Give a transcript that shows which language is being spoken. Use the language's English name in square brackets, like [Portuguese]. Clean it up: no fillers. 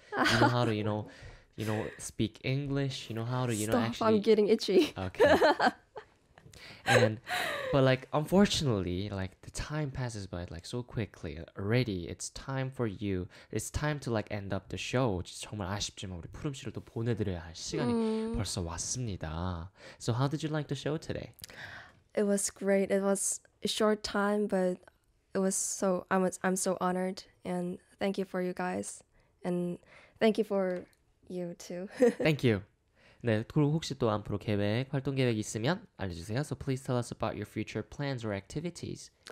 [English] You know how to, you know, speak English. You know how to, you Stop, know, actually... Stop, I'm getting itchy. Okay. And, but like, unfortunately, like, the time passes by like so quickly. Already, it's time for you. It's time to like end up the show. [Korean] 정말 아쉽지만 우리 푸름 씨를 또 보내드려야 할 시간이 벌써 왔습니다. [English] So how did you like the show today? It was great. It was a short time, but it was so, I'm so honored. And thank you for you guys. And thank you for you too. Thank you. [Korean] 네, 그리고 혹시 또 앞으로 계획, 활동 계획 있으면 알려주세요. [English] So please tell us about your future plans or activities.